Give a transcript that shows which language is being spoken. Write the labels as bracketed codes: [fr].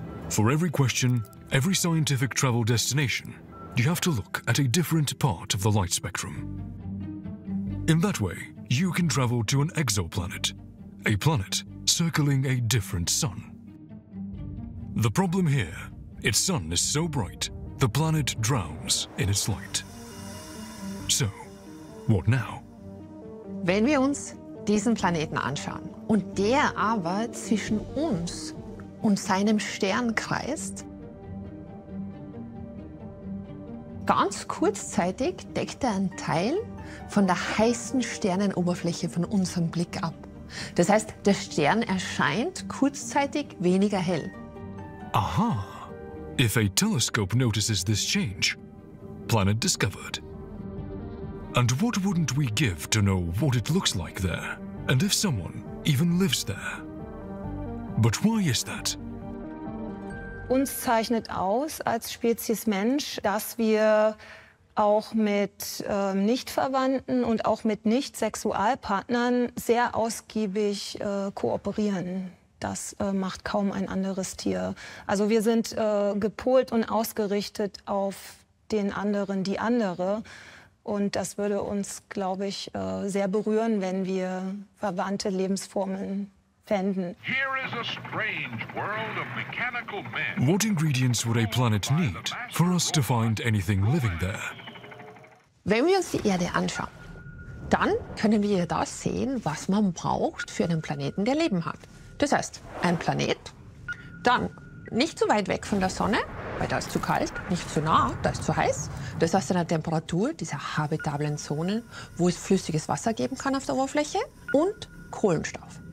[en] For every question, every scientific travel destination, you have to look at a different part of the light spectrum. In that way, you can travel to an exoplanet, a planet circling a different sun. The problem here, its sun is so bright, the planet drowns in its light. So, what now? [de] Wenn wir uns diesen Planeten anschauen und der aber zwischen uns und seinem Stern kreist, ganz kurzzeitig deckt er einen Teil von der heißen Sternenoberfläche von unserem Blick ab. Das heißt, der Stern erscheint kurzzeitig weniger hell. [en] Aha! If a telescope notices this change, planet discovered. And what wouldn't we give to know what it looks like there, and if someone even lives there? But why is that? [de] Uns zeichnet aus als Spezies Mensch, dass wir auch mit Nichtverwandten und auch mit Nicht-Sexualpartnern sehr ausgiebig kooperieren. Das macht kaum ein anderes Tier. Also wir sind gepolt und ausgerichtet auf den anderen, die andere. Und das würde uns, glaube ich, sehr berühren, wenn wir verwandte Lebensformen fänden. [en] Here is a strange world of mechanical men. What ingredients would a planet need for us to find anything living there? [de] Wenn wir uns die Erde anschauen, dann können wir das sehen, was man braucht für einen Planeten, der Leben hat. Das heißt, ein Planet, dann nicht zu weit weg von der Sonne, weil da ist zu kalt, nicht zu nah, da ist zu heiß. Das heißt, eine Temperatur dieser habitablen Zonen, wo es flüssiges Wasser geben kann auf der Oberfläche, und Kohlenstoff.